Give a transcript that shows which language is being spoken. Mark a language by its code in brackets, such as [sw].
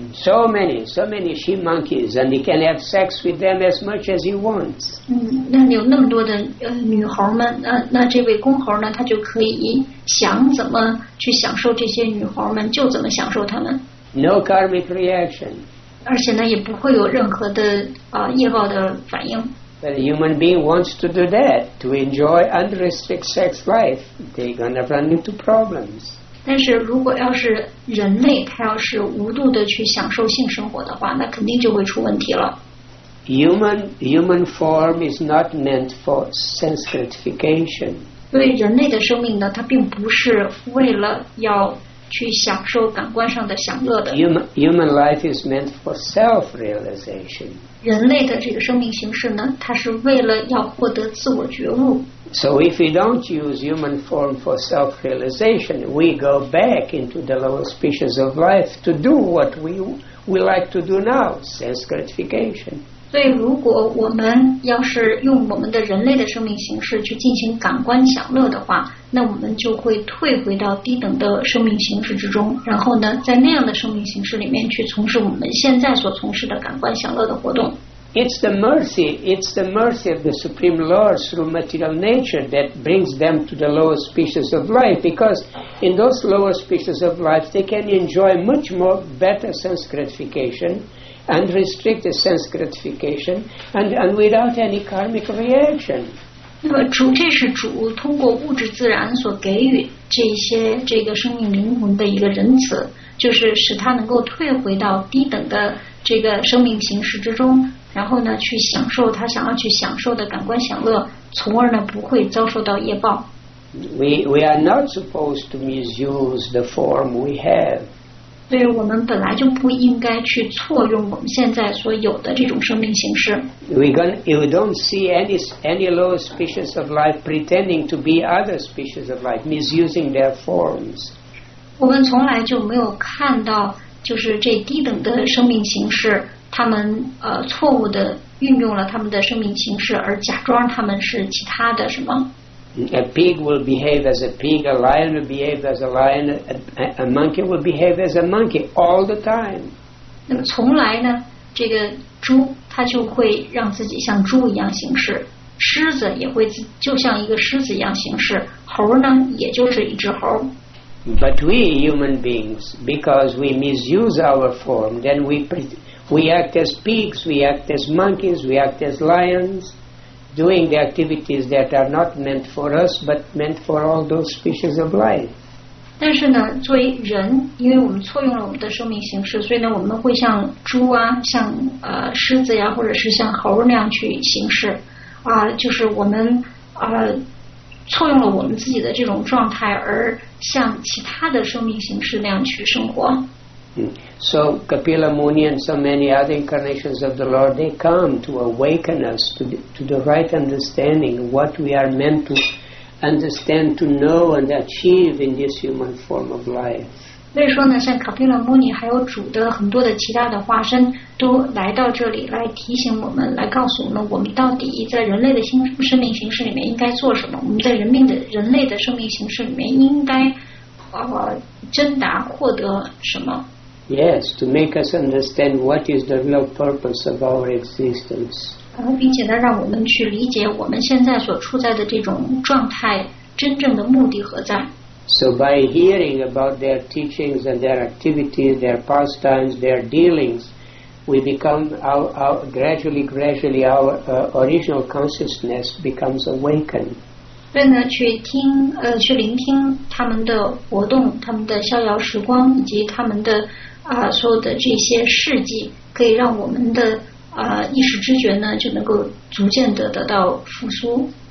[en] So many she monkeys, and he can have sex with them as much as he wants. [zh] 那有那么多的女猴们，那这位公猴呢，他就可以想怎么去享受这些女猴们，就怎么享受他们。 [en] No karmic reaction. [zh] 而且呢，也不会有任何的业报的反应。 [en] But a human being wants to do that to enjoy unrestricted sex life. They're gonna run into problems. [zh] 但是如果要是人类他要是无度的去享受性生活的话，那肯定就会出问题了。 [en] Human form is not meant for sense gratification. [zh] 对人类的生命呢，它并不是为了要去享受感官上的享乐的。 [en] Human life is meant for self-realization. [zh] 人类的这个生命形式呢，它是为了要获得自我觉悟。 [en] So if we don't use human form for self-realization, we go back into the lower species of life to do what we like to do now, sense gratification. [zh] 所以如果我们要是用我们的人类的生命形式去进行感官享乐的话，那我们就会退回到低等的生命形式之中，然后呢，在那样的生命形式里面去从事我们现在所从事的感官享乐的活动。 [en] It's the mercy of the Supreme Lord through material nature that brings them to the lower species of life, because in those lower species of life they can enjoy much more better sense gratification, unrestricted sense gratification, and without any karmic reaction. [zh] 那么主，这是主通过物质自然所给予这些这个生命灵魂的一个仁慈，就是使他能够退回到低等的这个生命形式之中，然后呢，去享受他想要去享受的感官享乐，从而呢不会遭受到业报。 [en] We are not supposed to misuse the form we have. [zh] 所以我们本来就不应该去错用我们现在所有的这种生命形式。 [en] If we don't see any lower species of life pretending to be other species of life, misusing their forms. [zh] 我们从来就没有看到就是这低等的生命形式他们错误的运用了他们的生命形式而假装他们是其他的什么。 [en] A pig will behave as a pig, a lion will behave as a lion, a monkey will behave as a monkey all the time. [zh] 那么从来呢，这个猪它就会让自己像猪一样行事，狮子也会就像一个狮子一样行事，猴呢也就是一只猴。 [en] But we human beings, because we misuse our form, then we act as pigs, we act as monkeys, we act as lions. Doing the activities that are not meant for us, but meant for all those species of life. [zh] 但是呢，作为人，因为我们错用了我们的生命形式，所以呢，我们会像猪啊，像狮子呀，或者是像猴那样去行事，就是我们错用了我们自己的这种状态，而像其他的生命形式那样去生活。 [en] So Kapila Muni and so many other incarnations of the Lord, they come to awaken us to the right understanding of what we are meant to understand, to know and achieve in this human form of life. [zh] 所以说呢，像 Kapila Muni 还有主的很多的其他的化身都来到这里来提醒我们，来告诉我们我们到底在人类的生命形式里面应该做什么，我们在人类的生命形式里面应该真达获得什么。 [en] Yes, to make us understand what is the real purpose of our existence. [zh] 并且呢，让我们去理解我们现在所处在的这种状态真正的目的何在。 [en] So by hearing about their teachings and their activities, their pastimes, their dealings, we become gradually our original consciousness becomes awakened. [zh] 所以呢，去聆听他们的活动，他们的逍遥时光，以及他们的所有的这些事迹，可以让我们的意识知觉呢，就能够逐渐得到复苏。